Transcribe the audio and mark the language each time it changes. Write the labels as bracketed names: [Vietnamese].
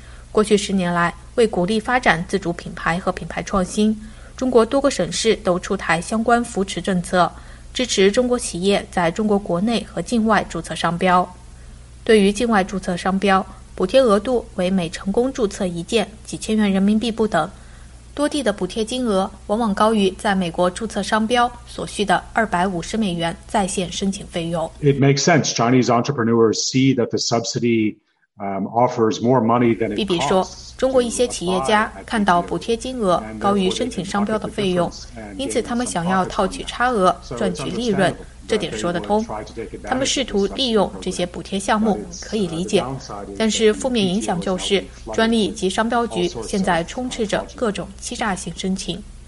[Chinese] 过去10年来，为鼓励发展自主品牌和品牌创新，中国多个省市都出台相关扶持政策，支持中国企业在中国国内和境外注册商标。对于境外注册商标，补贴额度为每成功注册一件几千元人民币不等，多地的补贴金额往往高于在美国注册商标所需的$250在线申请费用。 [English] It makes sense. Chinese entrepreneurs see that the subsidy offers more money than it costs. [Chinese] 比说，中国一些企业家看到补贴金额高于申请商标的费用，因此他们想要套取差额赚取利润，这点说得通。他们试图利用这些补贴项目可以理解，但是负面影响就是专利及商标局现在充斥着各种欺诈性申请。